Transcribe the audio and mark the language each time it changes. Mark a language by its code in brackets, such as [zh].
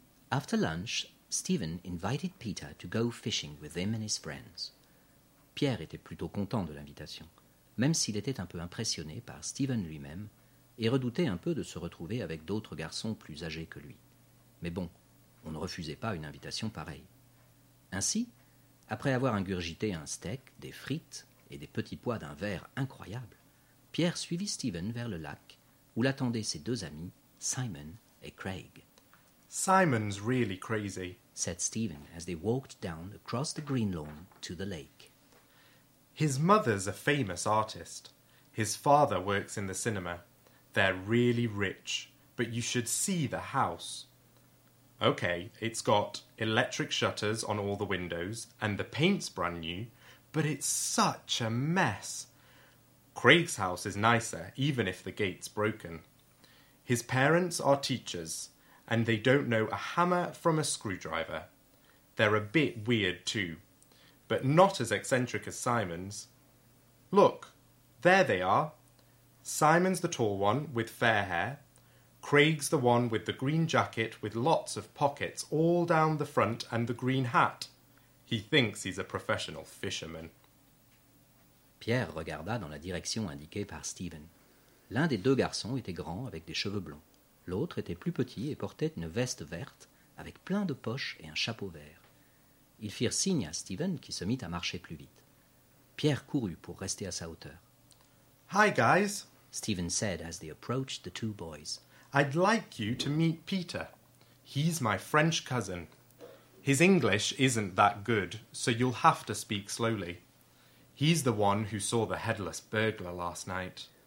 [en] After lunch, Stephen invited Peter to go fishing with him and his friends. [fr] Pierre était plutôt content de l'invitation, même s'il était un peu impressionné par Stephen lui-même et redoutait un peu de se retrouver avec d'autres garçons plus âgés que lui. Mais bon, on ne refusait pas une invitation pareille. Ainsi, après avoir ingurgité un steak, des frites et des petits pois d'un verre incroyable, Pierre suivit Stephen vers le lac où l'attendaient ses deux amis, Simon et Craig. [en] Simon's really crazy, said Stephen as they walked down across the green lawn to the lake. His mother's a famous artist. His father works in the cinema. They're really rich, but you should see the house. Okay, it's got electric shutters on all the windows, and the paint's brand new, but it's such a mess. Craig's house is nicer, even if the gate's broken. His parents are teachers, and they don't know a hammer from a screwdriver. They're a bit weird too, but not as eccentric as Simon's. Look, there they are. Simon's the tall one with fair hair. Craig's the one with the green jacket with lots of pockets all down the front and the green hat. He thinks he's a professional fisherman. [fr] Pierre regarda dans la direction indiquée par Stephen. L'un des deux garçons était grand avec des cheveux blonds. L'autre était plus petit et portait une veste verte avec plein de poches et un chapeau vert. Ils firent signe à Stephen qui se mit à marcher plus vite. Pierre courut pour rester à sa hauteur. [en] Hi guys, Stephen said as they approached the two boys. I'd like you to meet Peter. He's my French cousin. His English isn't that good, so you'll have to speak slowly. He's the one who saw the headless burglar last night.